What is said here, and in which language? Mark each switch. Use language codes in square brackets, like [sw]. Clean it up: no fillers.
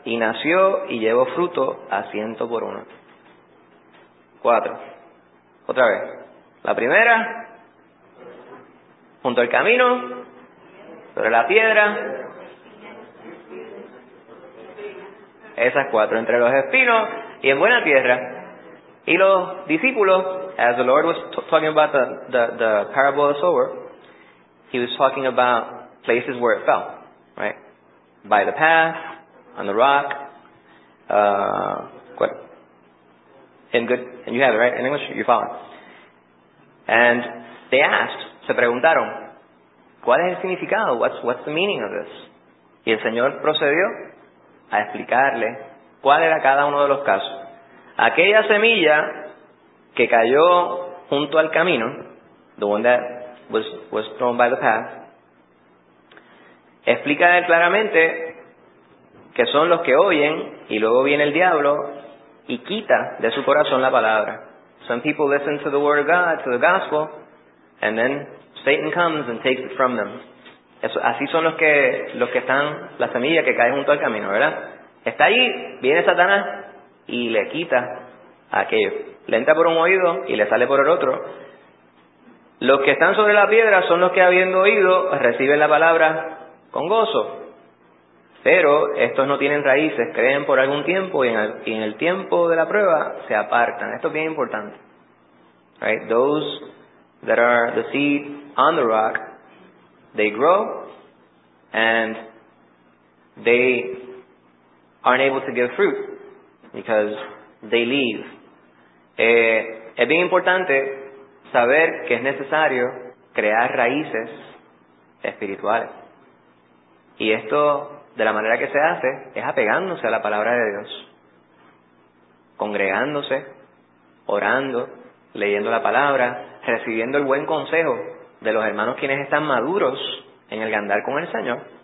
[es] y nació y llevó fruto a 100 por 1. 4. Otra vez. La primera, junto al camino, sobre la piedra, esas 4, entre los espinos y en buena tierra. Y los discípulos, [en] as the Lord was talking about the parable of the sower, he was talking about places where it fell, right? By the path, on the rock, and you have it, right? In English, you follow. And they asked, [es] se preguntaron, ¿cuál es el significado? [en] What's the meaning of this? [es] Y el Señor procedió a explicarle cuál era cada uno de los casos. Aquella semilla que cayó junto al camino, [en] the one that was thrown by the path, [es] explica él claramente que son los que oyen y luego viene el diablo y quita de su corazón la palabra. [en] Some people listen to the word of God, to the gospel, and then Satan comes and takes it from them. [es] Eso, así son los que están, la semilla que cae junto al camino, ¿verdad? Está ahí, viene Satanás y le quita a aquello. Le entra por un oído y le sale por el otro. Los que están sobre la piedra son los que, habiendo oído, reciben la palabra con gozo. Pero estos no tienen raíces, creen por algún tiempo y en el tiempo de la prueba se apartan. Esto es bien importante. [en] Right? Those that are the seed on the rock, they grow and they aren't able to give fruit because they leave. [es] Es bien importante saber que es necesario crear raíces espirituales. Y esto, de la manera que se hace, es apegándose a la palabra de Dios, congregándose, orando, leyendo la palabra, recibiendo el buen consejo de los hermanos quienes están maduros en el andar con el Señor.